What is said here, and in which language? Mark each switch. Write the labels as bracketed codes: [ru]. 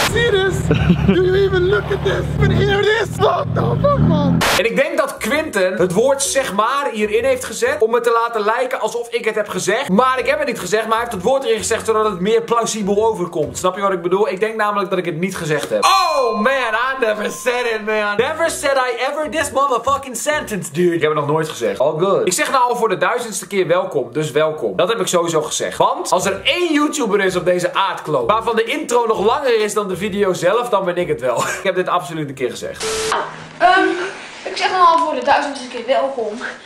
[en] See this? Do you even look at this? Even hear this? What the fuck, man? [nl] En ik denk dat Quinten het woord zeg maar hierin heeft gezet. Om me te laten lijken alsof ik het heb gezegd. Maar ik heb het niet gezegd, maar hij heeft het woord erin gezegd zodat het meer plausibel overkomt. Snap je wat ik bedoel? Ik denk namelijk dat ik het niet gezegd heb. [en] Oh man, I never said it, man. Never said I ever this motherfucking sentence, dude. [nl] Ik heb het nog nooit gezegd. [en] All good. [nl] Ik zeg nou al voor de 1000ste keer welkom, dus welkom. Dat heb ik sowieso gezegd. Want als er één YouTuber is op deze aardkloof waarvan de intro nog langer is dan de video zelf, dan ben ik het wel. Ik heb dit absoluut een keer gezegd. Ik zeg nou al voor de 1000ste keer welkom.